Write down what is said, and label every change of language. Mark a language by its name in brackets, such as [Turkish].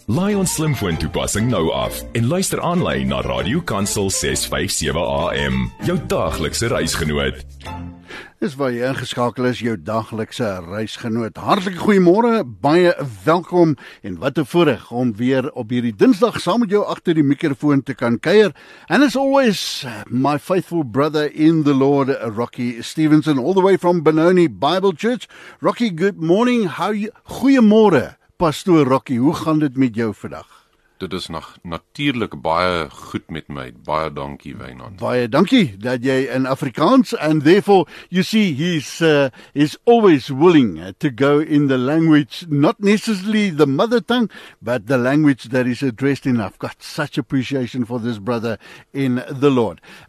[Afrikaans] Laai ons slimfoon toepassing nou af en luister aanlyn na Radio Kansel 657 AM. Jou daaglikse reisgenoot. Is waar jy ingeskakel is, jou daglikse reisgenoot. Hartlike goeiemôre, baie welkom en wat 'n voorreg om weer op hierdie Dinsdag saam met jou agter die mikrofoon te kan kuier. [English] And as always, my faithful brother in the Lord, Rocky Stevenson, all the way from Benoni Bible Church. Rocky, good morning. How you? [Afrikaans] Goeiemôre, Pastoor Rocky. Hoe gaan dit met jou vandag? Dit is natuurlik baie goed met my. Baie dankie, Wynand. Baie dankie dat jy in Afrikaans, [English] and therefore, you see, he's always willing to go in the language, not necessarily the mother tongue, but the language that is addressed in. I've got such appreciation for this brother in the Lord.